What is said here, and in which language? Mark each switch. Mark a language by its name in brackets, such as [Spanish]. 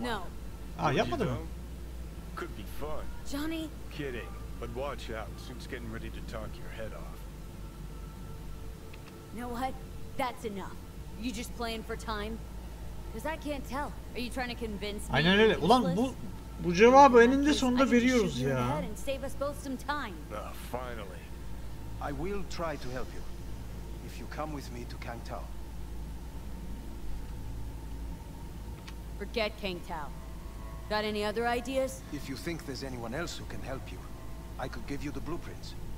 [English] No. [Turkish] Ah, yapmadı mı? [English] Could be fun. Johnny. Kidding, but watch out. Soon's getting ready to talk your head off. Know what? That's enough. You just playing for time? Because I can't tell. Are you trying to convince me? [Turkish] Aynen öyle. Ulan bu cevabı eninde sonunda veriyoruz ya. [English] Oh, finally. I will try to help you if you come with me to Kang Tao. Forget Kang Tao. Got any other ideas? If you think there's anyone else who can help you, I could give you the blueprints.